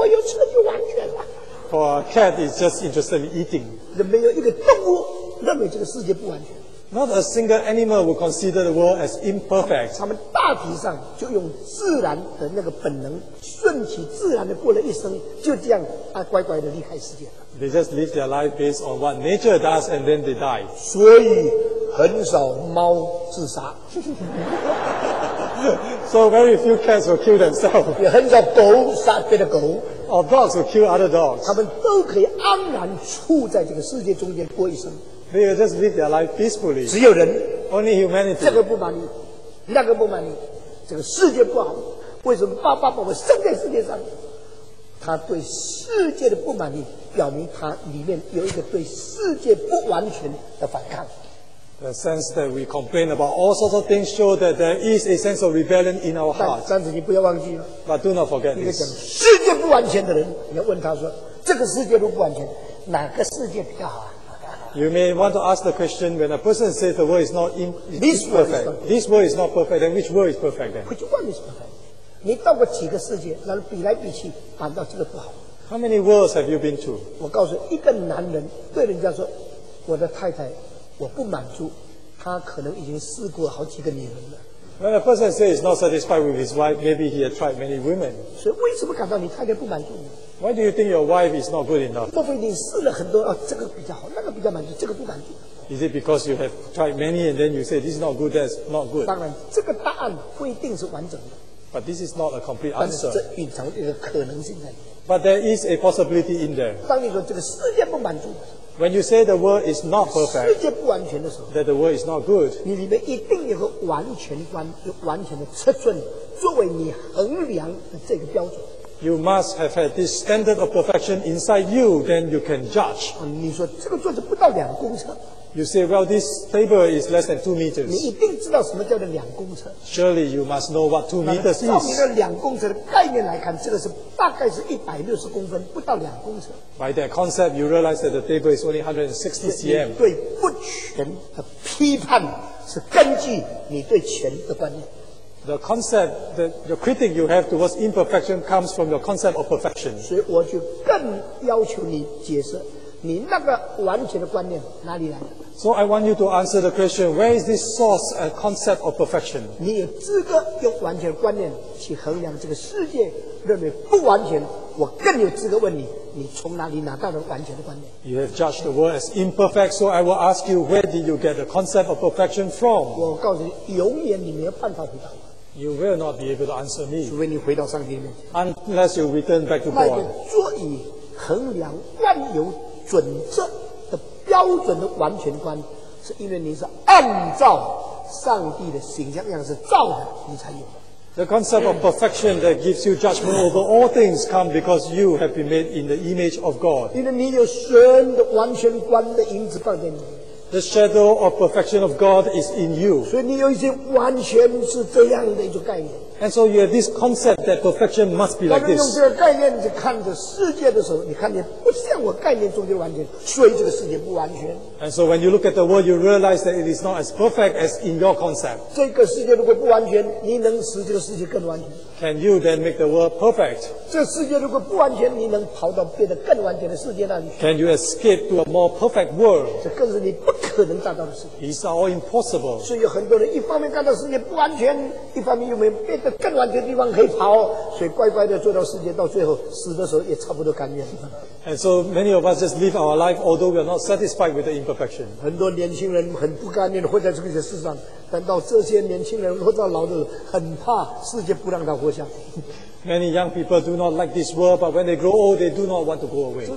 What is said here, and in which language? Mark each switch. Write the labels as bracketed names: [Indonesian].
[Chinese] 我有车就完全了。 [English] For a cat, it's just interested in eating. [Chinese] 没有一个动物认为这个世界不完全。 [English] Not a single animal will consider the world as imperfect. [Chinese] 他们大体上就用自然的那个本能，顺其自然的过了一生，就这样啊，乖乖的离开世界。 [English] They just live their life based on what nature does, and then they die. [Chinese] 所以很少猫自杀。 [English] So very few cats will kill themselves. [Chinese] 也很少狗杀别的狗。 [English] Or dogs will kill other dogs. [Chinese] 他们都可以安然处在这个世界中间过一生。 [English] They will just live their life peacefully. [Chinese] 只有人。 [English] Only humanity. [Chinese] 这个不满意，那个不满意，这个世界不好，为什么爸爸把我生在世界上？他对世界的不满意，表明他里面有一个对世界不完全的反抗。 [English] The sense that we complain about all sorts of things show that there is a sense of rebellion in our hearts. [Chinese] 但是你不要忘记。 [English] But do not forget this. [Chinese] 一个讲世界不完全的人，你要问他说：这个世界都不完全，哪个世界比较好啊？ [English] You may want to ask the question, when a person says the world is not imperfect, this world is not perfect, then which world is perfect then? Which one is perfect? [Chinese] 你到过几个世界，然后比来比去，感到这个不好。 [English] How many worlds have you been to? [Chinese] 我告诉一个男人对人家说：我的太太。我不满足，他可能已经试过好几个女人了。 [English] When a person says he's not satisfied with his wife, maybe he has tried many women. [Chinese] 所以为什么感到你太太不满足呢？ [English] Why do you think your wife is not good enough? [Chinese] 莫非你试了很多，这个比较好，那个比较满足，这个不满足？ [English] Is it because you have tried many and then you say this is not good, that's not good? [Chinese] 当然，这个答案不一定是完整的。 [English] But this is not a complete answer. [Chinese] 但是这蕴藏一个可能性在里面。 [English] But there is a possibility in there. [Chinese] 当你说这个世界不满足。 [English] When you say the world is not perfect, [Chinese] 世界不完全的时候, [English] that the world is not good, [Chinese] 你里面一定有个完全观, 完全的尺寸, 作为你衡量的这个标准。 [English] You must have had this standard of perfection inside you, then you can judge. [Chinese] 你说这个桌子不到两公尺。 [English] You say, well, this table is less than 2 meters. [Chinese] 你一定知道什么叫做两公尺。 [English] Surely you must know what 2 meters is. [Chinese] 照你的两公尺的概念来看，这个是大概是160公分，不到两公尺。 [English] By that concept, you realize that the table is only 160 cm. [Chinese] 对不全的批判是根据你对全的观念。 [English] The concept that the critique you have towards imperfection comes from your concept of perfection. [Chinese] 所以我就更要求你解释你那个完全的观念哪里来的。 [English] So I want you to answer the question, where is this source and concept of perfection? [Chinese] 你有资格用完全观念去衡量这个世界认为不完全，我更有资格问你，你从哪里拿到了完全的观念？ [English] You have judged the world as imperfect, so I will ask you, where did you get the concept of perfection from? [Chinese] 我告诉你，永远你没有办法回答。 [English] You will not be able to answer me. [Chinese] 除非你回到上帝面前。 [English] Unless you return back to God. [Chinese] 那个足以衡量万有准则的标准的完全观，是因为你是按照上帝的形象样式造的，你才有。 [English] The concept of perfection that gives you judgment over all things come because you have been made in the image of God. [Chinese] 因为你有神的完全观的影子放在你。 [English] The shadow of perfection of God is in you. [Chinese] 所以你有一些完全是这样的一种概念。 [English] And so you have this concept that perfection must be like this. [Chinese] 当你用这个概念去看着世界的时候，你看见不像我概念中的完全，所以这个世界不完全。 [English] And so when you look at the world, you realize that it is not as perfect as in your concept. [Chinese] 这个世界如果不完全，你能使这个世界更完全？ [English] Can you then make the world perfect? [Chinese] 这世界如果不完全，你能跑到别的更完全的世界那里？ [English] Can you escape to a more perfect world? [Chinese] 这更是你不可能达到的事情。 [English] These are all impossible. [Chinese] 所以有很多人一方面看到世界不完全，一方面又没有别的更完全的地方可以跑，所以乖乖地坐到世界，到最后死的时候也差不多甘愿。 [English] And so many of us just live our life, although we are not satisfied with the imperfection. [Chinese] 很多年轻人很不甘愿活在这个世上，但到这些年轻人活到老的，很怕世界不让他活下去。 [English] Many young people do not like this world, but when they grow old, they do not want to go away.